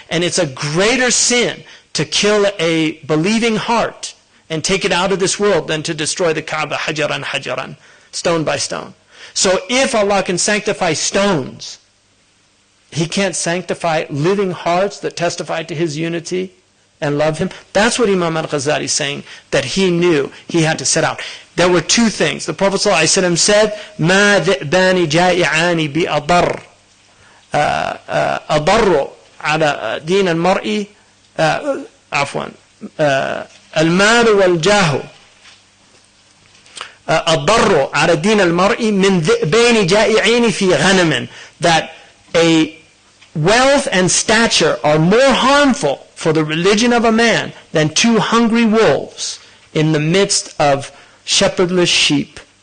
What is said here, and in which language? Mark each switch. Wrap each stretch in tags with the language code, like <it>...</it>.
<en>And it's a greater sin to kill a believing heart and take it out of this world than to destroy the Kaaba</en> <ar>hajaran hajaran,</ar> <en>stone by stone. So if Allah can sanctify stones, he can't sanctify living hearts that testify to his unity and love him? That's what Imam al-Ghazali is saying, that he knew he had to set out. There were two things. The Prophet ﷺ said,</en> <ar>مَا ذِئْبَانِ جَائِعَانِ بِأَضَرُّ عَلَىٰ دِينَ الْمَرْءِ عَفْوًا الْمَالُ وَالْجَاهُ الضر على دين المرء من ذئبين جائعين في غنم,</ar> <en>that a wealth and stature are more harmful for the religion of a man than two hungry wolves in the midst of shepherdless sheep.</en>